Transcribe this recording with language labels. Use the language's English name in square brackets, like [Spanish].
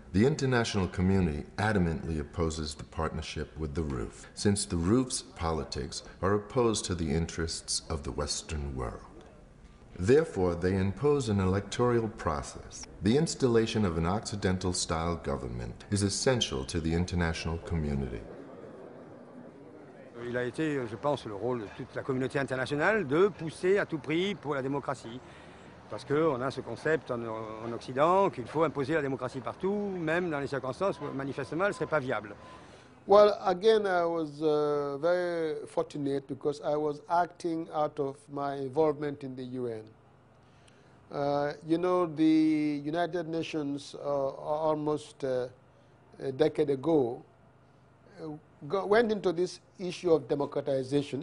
[English] The international community adamantly opposes the partnership with the Roof, since the Roof's politics are opposed to the interests of the Western world. Therefore, they impose an electoral process. The installation of an Occidental-style government is essential to the international community. [French] Il a été, je pense, le rôle de toute la communauté internationale de pousser à tout prix pour la démocratie. Parce qu'on a ce concept en Occident qu'il faut imposer la démocratie partout, même dans les circonstances où manifestement elle ne serait pas viable. [English] Well, again, I was very fortunate because I was acting out of my involvement in the UN. You know, the United Nations almost a decade ago went into this issue of democratization.